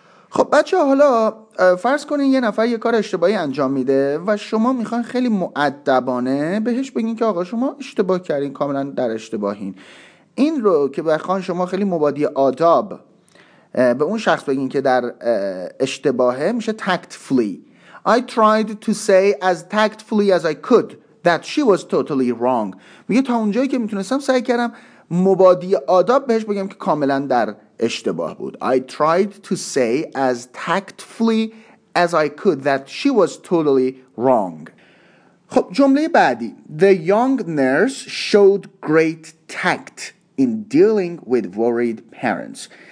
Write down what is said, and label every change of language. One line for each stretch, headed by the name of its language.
Persian: خب بچه ها حالا فرض کنین یه نفر یه کار اشتباهی انجام میده و شما میخواین خیلی مؤدبانه بهش بگین که آقا شما اشتباه کردین، کاملا در اشتباهین. این رو که بخواین شما خیلی مبادی آداب به اون شخص بگین که در اشتباهه میشه tactfully.
English: I tried to say as tactfully as I could that she was totally wrong.
Persian: میگه تا اونجایی که میتونستم سعی کردم مبادی آداب بهش بگم که کاملا در اشتباه بود.
English: I tried to say as tactfully as I could that she was totally wrong.
Persian: خب جمله بعدی،
English: the young nurse showed great tact in dealing with worried parents.